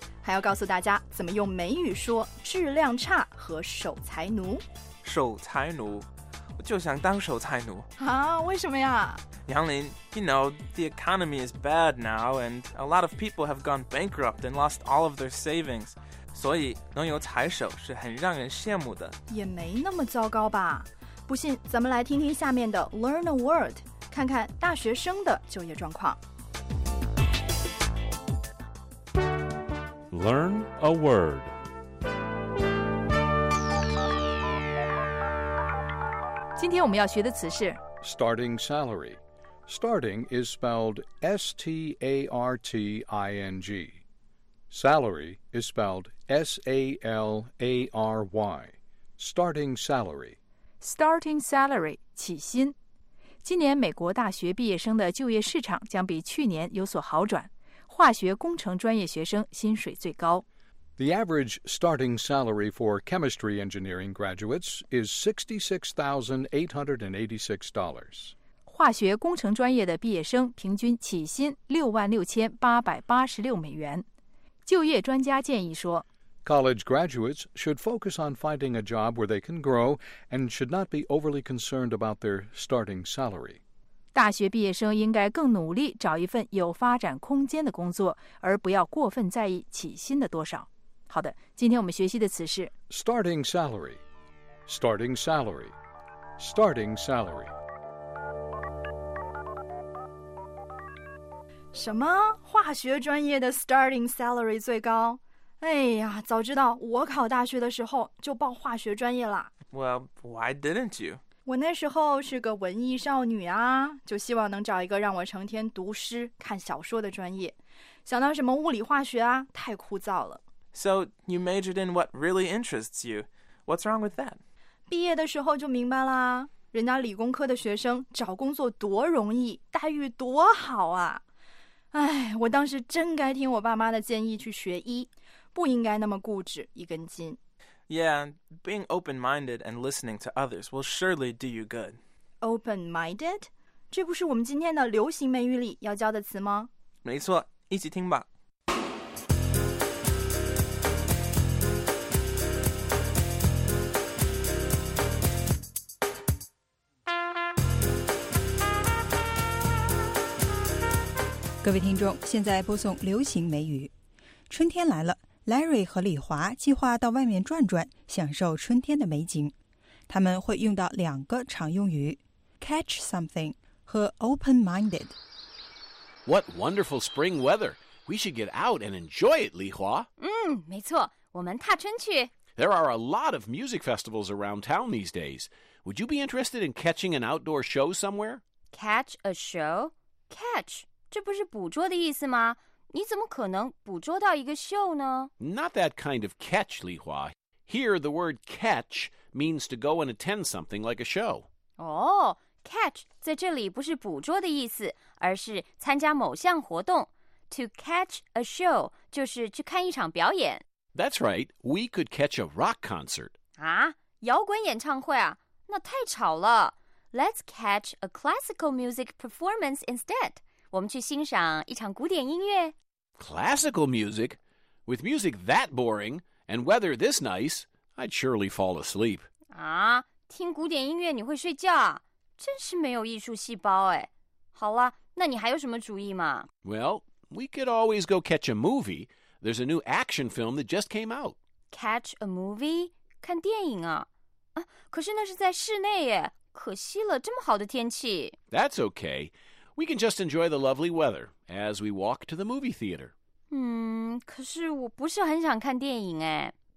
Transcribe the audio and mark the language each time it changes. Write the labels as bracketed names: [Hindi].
[Chinese] 还要告诉大家怎么用美语说质量差和守财奴。守财奴，我就想当守财奴。啊，为什么呀？ [English] 杨林， you know, the economy is bad now and a lot of people have gone bankrupt and lost all of their savings. [Chinese] 所以能有财手是很让人羡慕的。也没那么糟糕吧。不信咱们来听听下面的 [English] Learn a Word。 [Chinese] 看看大学生的就业状况。 [English] Learn a word. Today we're going to learn the word starting salary. Starting is spelled starting. Salary is spelled salary. Starting salary. Starting salary, [Chinese] 起薪。今年美国大学毕业生的就业市场将比去年有所好转，化学工程专业学生薪水最高。 [English] The average starting salary for chemistry engineering graduates is $66,886. [Chinese] 化学工程专业的毕业生平均起薪$66,886。就业专家建议说， [English] College graduates should focus on finding a job where they can grow and should not be overly concerned about their starting salary. [Chinese] 大学毕业生应该更努力找一份有发展空间的工作，而不要过分在意起薪的多少。好的，今天我们学习的词是 [English] starting salary, starting salary, starting salary. [Chinese] 什么？化学专业的 [English] starting salary [Chinese] 最高？哎呀，早知道我考大学的时候就报化学专业了。 [English] Well, why didn't you? [Chinese] 我那时候是个文艺少女啊，就希望能找一个让我成天读诗、看小说的专业。想到什么物理、化学啊，太枯燥了。 [English] So, you majored in what really interests you. What's wrong with that? [Chinese] 毕业的时候就明白啦，人家理工科的学生找工作多容易，待遇多好啊。哎，我当时真该听我爸妈的建议去学医，不应该那么固执一根筋。 [English] Yeah, being open-minded and listening to others will surely do you good. Open-minded? [Chinese] 这不是我们今天的流行美语里要教的词吗？没错，一起听吧。各位听众，现在播送流行美语。春天来了，Larry 和李华计划到外面转转，享受春天的美景。他们会用到两个常用语 [English] catch something [Chinese] 和 [English] open-minded。 What wonderful spring weather! We should get out and enjoy it, 李华。 [Chinese] 嗯，没错，我们踏春去。 [English] There are a lot of music festivals around town these days. Would you be interested in catching an outdoor show somewhere? Catch a show? Catch? [Chinese] 这不是捕捉的意思吗？你怎么可能捕捉到一个秀呢？ [English] Not that kind of catch, 李华. Here, the word catch means to go and attend something like a show. [Chinese] Oh, catch 在这里不是捕捉的意思，而是参加某项活动。 [English] To catch a show [Chinese] 就是去看一场表演。 [English] That's right. We could catch a rock concert. [Chinese] 啊，摇滚演唱会啊？那太吵了。 [English] Let's catch a classical music performance instead. [Chinese] 我们去欣赏一场古典音乐。 [English] Classical music? With music that boring and weather this nice, I'd surely fall asleep. [Chinese] 啊，听古典音乐你会睡觉啊？真是没有艺术细胞哎。好了，那你还有什么主意吗？ [English] Well, we could always go catch a movie. There's a new action film that just came out. Catch a movie? [Chinese] 看电影啊？啊，可是那是在室内耶，可惜了，这么好的天气。 [English] That's okay. We can just enjoy the lovely weather as we walk to the movie theater. [Chinese] 可是我不是很想看电影哎。